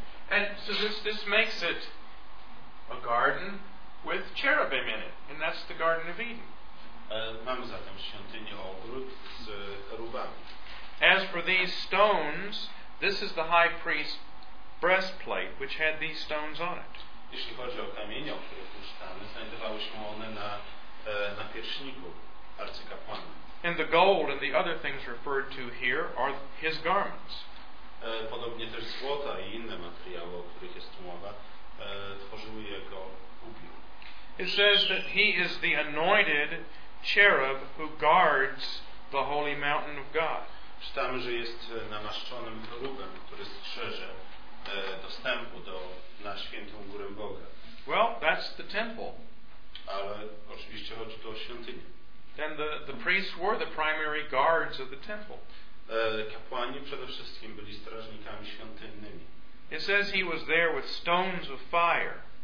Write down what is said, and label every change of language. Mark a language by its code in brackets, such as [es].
[en] And so this makes it a garden with cherubim in it. And that's the Garden of Eden. [pl] Mamy zatem świątynię ogród z cherubami. [en] As for these stones, this is the high priest's breastplate, which had these stones on it. [pl] Jeśli chodzi o kamienie, o których czytamy, znajdowały się one na pierśniku arcykapłana. [en] And the gold and the other things referred to here are his garments. [pl] Podobnie też złota i inne materiały, o których jest tu mowa, tworzyły jego ubiór. [en] It says that he is the anointed cherub who guards the holy mountain of God. [pl] Czytamy, że jest namaszczonym cherubem, który strzeże dostępu na świętą górę Boga. [en] Well, that's the temple. [pl] Ale oczywiście chodzi tu o świątynię. [en] And the priests were the primary guards of the temple. [pl] Kapłani przede wszystkim byli strażnikami świątynnymi. [en] It says he was there with stones of fire.